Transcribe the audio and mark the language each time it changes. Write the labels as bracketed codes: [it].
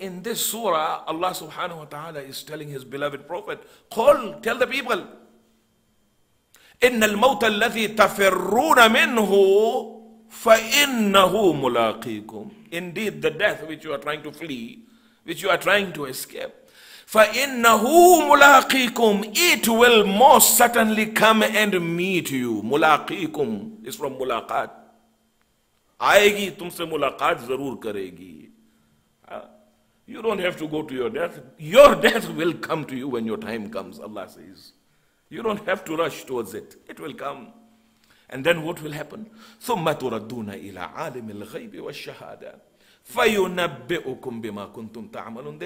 [en] In this surah, Allah subhanahu wa ta'ala is telling his beloved prophet, قل, tell the people, [ar] إِنَّ الْمَوْتَ الَّذِي تَفِرُّونَ مِنْهُ فَإِنَّهُ مُلَاقِيكُمْ. [en] Indeed, the death which you are trying to flee, which you are trying to escape, [ar] فَإِنَّهُ مُلَاقِيكُمْ, [en] it will most certainly come and meet you. مُلَاقِيكُمْ is from مُلَاقَات. [ur] آئے تم سے ملاقات ضرور کرے گی. [en] You don't have to go to your death. Your death will come to you when your time comes, Allah says. You don't have to rush towards it. It will come. And then what will happen? [ar] ثُمَّ تُرَدُّونَ إِلَىٰ عَالِمِ الْغَيْبِ وَالشَّهَادَةِ فَيُنَبِّئُكُمْ بِمَا كُنْتُمْ تَعْمَلُونَ.